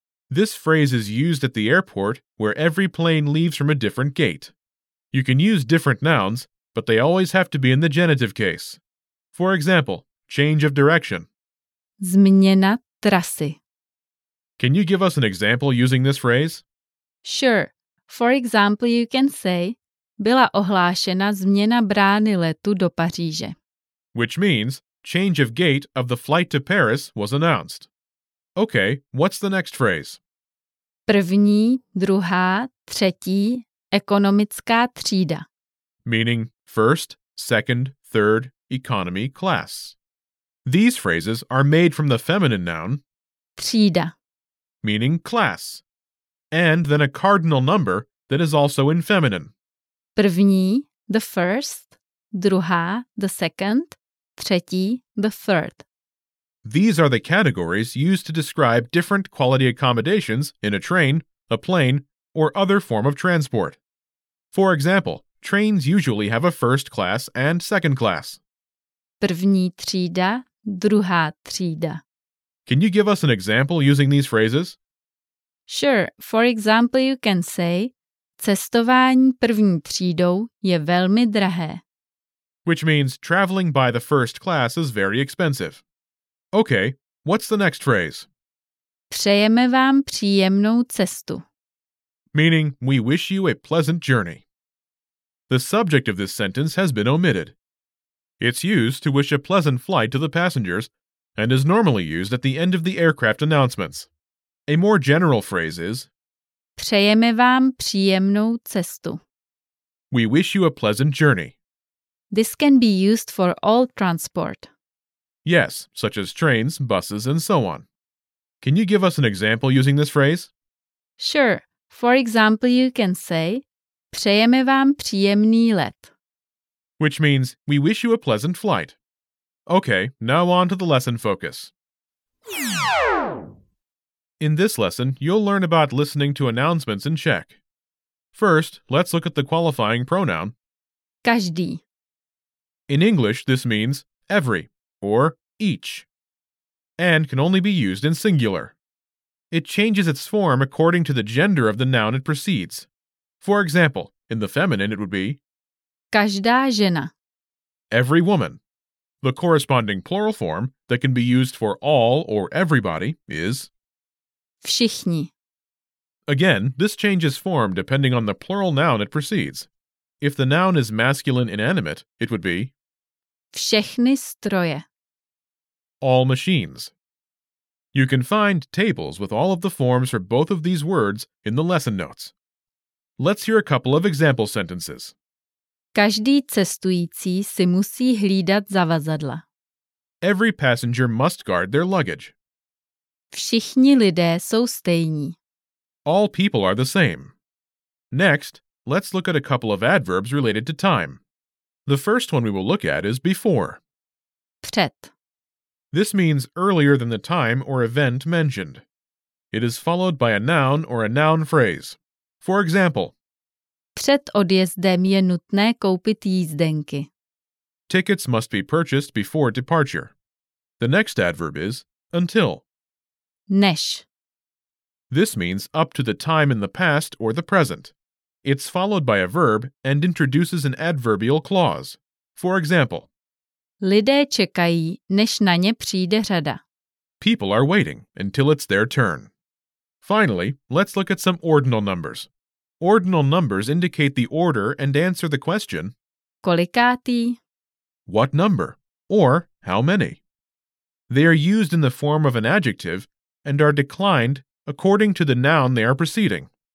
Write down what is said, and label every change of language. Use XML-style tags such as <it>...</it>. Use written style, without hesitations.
<en>This phrase is used at the airport where every plane leaves from a different gate. You can use different nouns, but they always have to be in the genitive case. For example, change of direction.</en> <cs>Změna trasy.</cs> <en>Can you give us an example using this phrase? Sure. For example, you can say,</en> <cs>byla ohlášena změna brány letu do Paříže.</cs> <en>Which means, change of gate of the flight to Paris was announced. Okay, what's the next phrase?</en> <cs>První, druhá, třetí, ekonomická třída.</cs> <en>Meaning, first, second, third, economy, class. These phrases are made from the feminine noun</en> <cs>třída,</cs> <en>meaning class, and then a cardinal number that is also in feminine. První, the first, druhá, the second, třetí, the third. These are the categories used to describe different quality accommodations in a train, a plane, or other form of transport. For example, trains usually have a first class and second class.</en> <cs>První třída, druhá třída.</cs> <en>Can you give us an example using these phrases? Sure. For example, you can say,</en> <cs>cestování první třídou je velmi drahé.</cs> <en>Which means traveling by the first class is very expensive. Okay, what's the next phrase?</en> <cs>Přejeme vám příjemnou cestu.</cs> <en>Meaning, we wish you a pleasant journey. The subject of this sentence has been omitted. It's used to wish a pleasant flight to the passengers and is normally used at the end of the aircraft announcements. A more general phrase is</en> <cs>přejeme vám příjemnou cestu.</cs> <en>We wish you a pleasant journey. This can be used for all transport. Yes, such as trains, buses, and so on. Can you give us an example using this phrase? Sure. For example, you can say</en> <cs>přejeme vám příjemný let.</cs> <en>Which means, we wish you a pleasant flight. Okay, now on to the lesson focus. In this lesson, you'll learn about listening to announcements in Czech. First, let's look at the qualifying pronoun</en> <cs>každý.</cs> <en>In English, this means every, or each, and can only be used in singular. It changes its form according to the gender of the noun it precedes. For example, in the feminine it would be</en> <cs>každá žena,</cs> <en>every woman. The corresponding plural form that can be used for all or everybody is</en> <cs>všichni.</cs> <en>Again, this changes form depending on the plural noun it precedes. If the noun is masculine inanimate, it would be</en> <cs>všechny stroje,</cs> <en>all machines. You can find tables with all of the forms for both of these words in the lesson notes. Let's hear a couple of example sentences.</en> <cs>Každý cestující si musí hlídat zavazadla.</cs> <en>Every passenger must guard their luggage.</en> <cs>Všichni lidé jsou stejní.</cs> <en>All people are the same. Next, let's look at a couple of adverbs related to time. The first one we will look at is before.</en> <cs>Před.</cs> <en>This means earlier than the time or event mentioned. It is followed by a noun or a noun phrase. For example,</en> <cs>Před odjezdem je nutné koupit jízdenky.</cs> <en>Tickets must be purchased before departure. The next adverb is until.</en> <cs>Než.</cs> <en>This means up to the time in the past or the present. It's followed by a verb and introduces an adverbial clause. For example,</en> <cs>Lidé čekají, než na ně přijde řada.</cs> <en>People are waiting until it's their turn. Finally, let's look at some ordinal numbers. Ordinal numbers indicate the order and answer the question,</en> <cs>Kolikátý?</cs> <en>What number? Or how many? They are used in the form of an adjective and are declined according to the noun they are preceding.</en>